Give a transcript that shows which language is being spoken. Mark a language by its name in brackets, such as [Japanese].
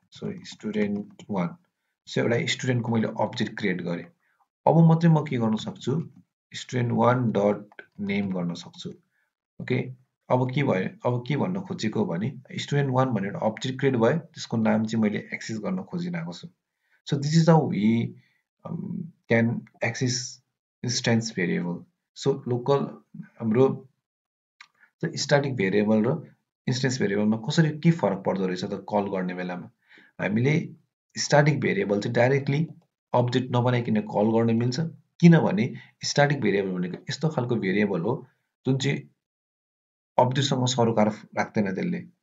[Nepali] So student one, so एउटा स्टुडेन्टको मैले object create गरेँ। अब मात्रै म के गर्न सक्छु, स्टुडेन्ट वान डट नेम गर्न सक्छु। ओके, अब के भयो, अब के भन्न खोजेको भने, स्टुडेन्ट वान भनेर अब्जेक्ट क्रिएट भयो, त्यसको नाम चाहिँ मैले एक्सेस गर्न खोजिरहेको छु। [English] So this is how we can access instance variable. [Nepali] So local हाम्रो स्टाटिक भेरिएबल र इन्स्टेन्स भेरिएबलमा कसरी के फरक पर्दो रहेछ त कल गर्ने बेलामा, हामीले स्टाटिक भेरिएबल चाहिँ डाइरेक्टली अब्जेक्ट नबनाइकन कल गर्न मिल्छ, किनभने स्टाटिक भेरिएबल भनेको यस्तो खालको भेरिएबल हो जुन चाहिँ अब्जेक्टसँग सरोकार राख्दैन त्यसले।